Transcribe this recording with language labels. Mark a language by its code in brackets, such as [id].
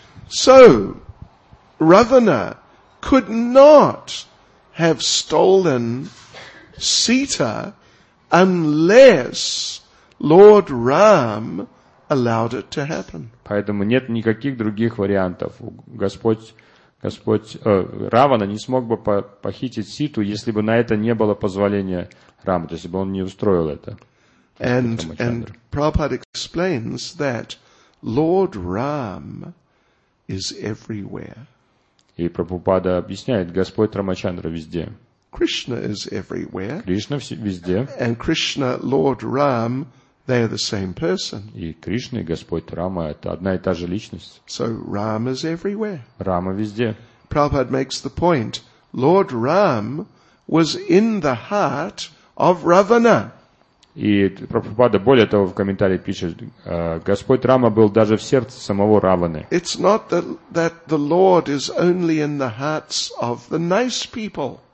[en] So, Ravana could not have stolen Sita unless Lord Ram allowed it to happen. [ru] Поэтому нет никаких других вариантов. Господь Равана не смог бы похитить Ситу, если бы на это не было позволения Рама, то есть бы он не устроил это. [en] And Prabhupada explains that Lord Ram is everywhere. [ru] И Прабхупада объясняет, Господь Рамачандра везде. [en] Krishna is everywhere. [ru] Кришна везде. [en] And Krishna, Lord Ram, they are the same person. [ru] И Кришна и Господь Рама – это одна и та же личность. [en] So Ram is everywhere. [ru] Рама везде. [en] Prabhupada makes the point: Lord Ram was in the heart of Ravana. [ru] И Прабхупада более того в комментарии пишет: Господь Рама был даже в сердце самого Раваны. [en] It's not that the Lord is only in the hearts of the nice people.